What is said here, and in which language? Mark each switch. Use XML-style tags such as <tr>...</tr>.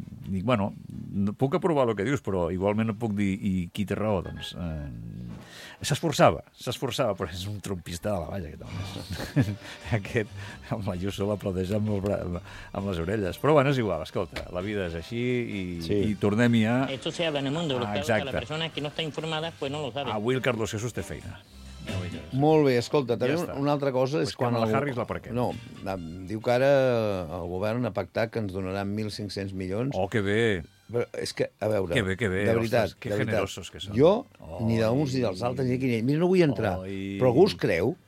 <ca>Dic, bueno, puc aprovar el que dius, però igualment no puc dir i qui té raó, doncs. S'esforçava, però és un trumpista de la valla, aquest home. Aquest, amb la Lluçó, l'aplaudeix amb les orelles. Però, bueno, és igual, escolta, la vida és així i tornem-hi a...</ca> <es>Esto se habla en el mundo, lo que la persona que no está informada, pues no lo sabe.</es> <ca>Avui el Carlos Jesús té feina. Molt bé, escolta, també ja una altra cosa... Pues és quan la Harris la parquet. No, diu que ara el govern ha pactat que ens donaran 1.500 milions. Oh, que bé! Però és que, a veure... Que bé. De veritat, de veritat. Que generosos que són. Jo, ni d'uns ni dels altres, ni aquí ni ell. Mira, no vull entrar, però algú es creu.</ca>